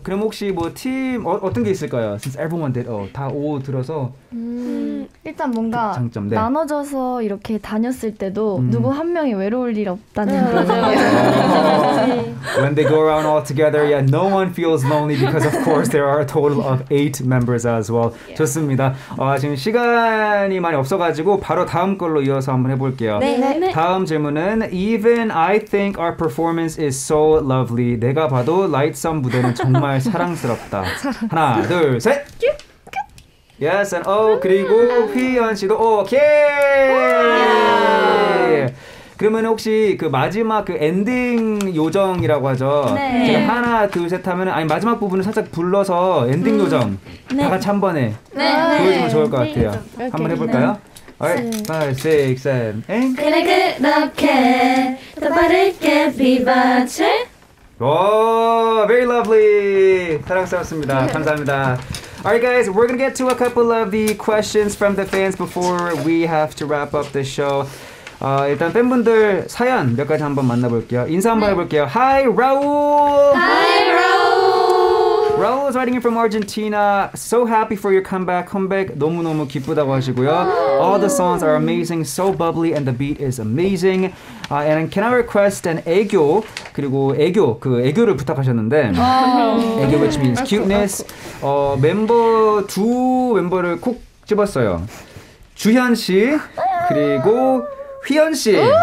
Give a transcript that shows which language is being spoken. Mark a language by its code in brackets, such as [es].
[ko] 그럼 혹시 뭐 팀 어떤 게 있을까요? [en] Since everyone did O, [ko] 다 O 들어서. 일단 뭔가 장점, 네. 나눠져서 이렇게 다녔을 때도 누구 한 명이 외로울 일 없다는 [en] When they go around all together, yeah, no one feels lonely because of course there are a total of 8 members as well. Yeah. [ko] 좋습니다. 지금 시간이 많이 없어가지고 바로 다음 걸로 이어서 한번 해볼게요. 네, 네. 다음 질문은 [en] Even I think our performance is so lovely. [ko] 내가 봐도 라이트썸 무대는 정말 사랑스럽다. 하나, 둘, 셋! [en] Yes, and oh, [ko] 그리고 휘연 씨도 [en] okay. Yeah. [ko] 그러면 혹시 그 마지막 그 엔딩 요정이라고 하죠? 네. 제가 하나, 둘, 셋 하면 아니 마지막 부분을 살짝 불러서 엔딩 요정 다 같이 한 번에 네. 보여주면 좋을 것 같아요. 네. 한번 해볼까요? 네. [en] Alright, [ko] 네. [en] five, six, seven, eight. [ko] 그래 그렇게 더 빠르게 비바치. 오, [en] very lovely. [ko] 사랑스럽습니다. 네. 감사합니다. [en] Alright guys, we're gonna get to a couple of the questions from the fans before we have to wrap up the show. [ko] 일단 팬분들 사연 몇 가지 한번 만나볼게요. 인사 한번 해볼게요. Hi, Raul! [en] Hi, Raul! Raul is writing in from Argentina. So happy for your comeback. [ko] Comeback 너무너무 기쁘다고 하시고요. [en] All the songs are amazing, so bubbly, and the beat is amazing. And can I request an 애교? [ko] 그리고 애교, 그 애교를 부탁하셨는데 oh. [en] 애교 which means cuteness. [ko] 멤버, 두 멤버를 콕 집었어요. 주현 씨, 그리고 휘연 씨.